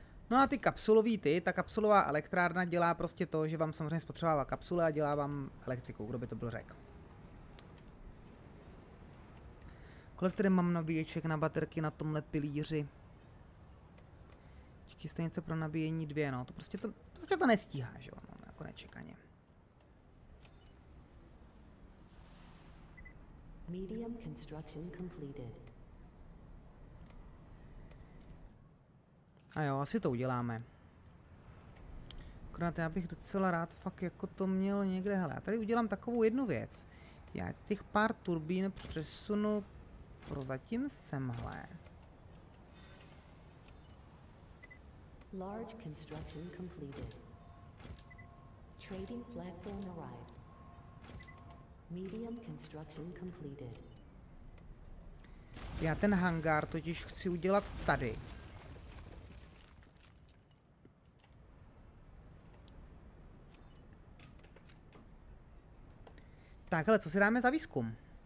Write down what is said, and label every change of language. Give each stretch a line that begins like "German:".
Czech: No a ty kapsulový ty, ta kapsulová elektrárna dělá prostě to, že vám samozřejmě spotřebává kapsule a dělá vám elektriku, kdo by to byl řekl. Kolik tady mám nabíječek na baterky na tomhle pilíři? Díky stanice pro nabíjení dvě, no to prostě to nestíhá, že jo, no, jako nečekaně.
English: Medium construction completed.
Czech: A jo, asi to uděláme. Akorát já bych docela rád fakt jako to měl někde, hele, já tady udělám takovou jednu věc. Já těch pár turbín přesunu prozatím semhle.
English: Large construction completed. Trading platform arrived. Medium construction completed.
Czech: Já ten hangár totiž chci udělat tady. Tak, ale co si dáme za výzkum?